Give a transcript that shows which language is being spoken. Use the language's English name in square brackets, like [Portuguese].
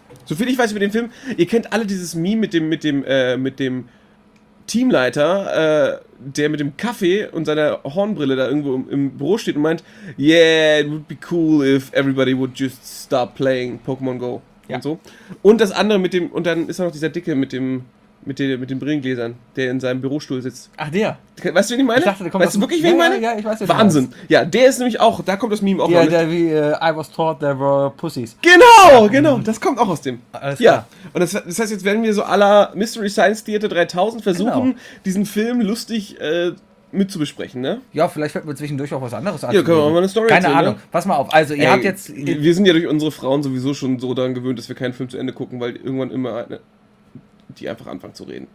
[German] So viel ich weiß über den Film, ihr kennt alle dieses Meme mit dem Teamleiter, der mit dem Kaffee und seiner Hornbrille da irgendwo im Büro steht und meint, [English] yeah, it would be cool if everybody would just start playing Pokémon Go. [German] Ja. Und so. Und das andere mit dem, und dann ist da noch dieser Dicke mit den Brillengläsern, der in seinem Bürostuhl sitzt. Ach, der? Weißt du, wen ich meine? Ich dachte, der kommt weißt du wirklich, wen ich meine? Ja, ich weiß, Wahnsinn. Du ja, der ist nämlich auch, da kommt das Meme auch ja, noch. Ja, der wie, [English] I was taught there were pussies. [German] Genau, ja, genau, das kommt auch aus dem. Alles ja, klar. Und das heißt, jetzt werden wir so à la Mystery Science Theater 3000 versuchen, genau, diesen Film lustig mitzubesprechen, ne? Ja, vielleicht fällt mir zwischendurch auch was anderes an. Ja, können wir mal eine Story erzählen. Keine Ahnung, ne? Pass mal auf. Also, ihr habt jetzt... Wir sind ja durch unsere Frauen sowieso schon so daran gewöhnt, dass wir keinen Film zu Ende gucken, weil irgendwann immer eine... die einfach anfangen zu reden.